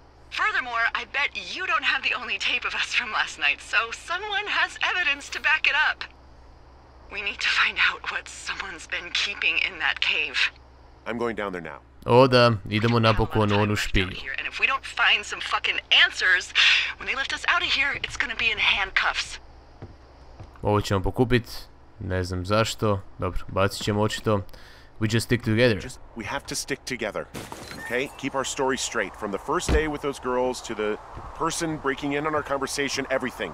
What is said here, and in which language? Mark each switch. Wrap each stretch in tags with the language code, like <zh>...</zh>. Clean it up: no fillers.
<en>Furthermore, I bet you don't have the only tape of us from last night, so someone has evidence to back it up. We need to find out what someone's been keeping in that cave. I'm going down there now.</en> <hr>O da, idemo napokon onu špilju.</hr> <en>And if we don't find some fucking answers, when they lift us out of here, it's gonna be in handcuffs.</en> <hr>Ovo ćemo pokupit, ne znam zašto, dobro, bacit ćemo očito.</hr> <en>We just stick together. We have to stick together, okay? Keep our story straight. From the first day with those girls to the person breaking in on our conversation, everything.</en>